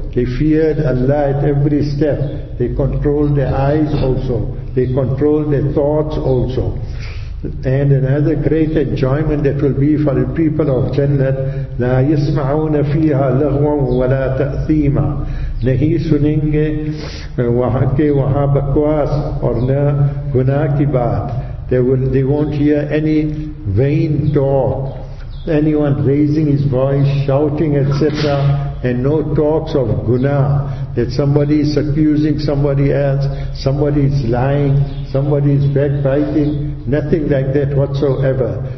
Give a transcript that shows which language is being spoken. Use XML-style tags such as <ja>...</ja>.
<en>They feared Allah at every step. They controlled their eyes also. They control their thoughts also. And another great enjoyment that will be for the people of Jannah,</en> <ar>لا يسمعون فيها لغوا ولا تأثيما.</ar> <ur>نہیں سنیں گے وہاں کے وہاں بکواس اور نہ گناہ کی بات.</ur> <en>They won't hear any vain talk, anyone raising his voice, shouting, etc., and no talks of guna, that somebody is accusing somebody else, somebody is lying, somebody is backbiting, nothing like that whatsoever.</en>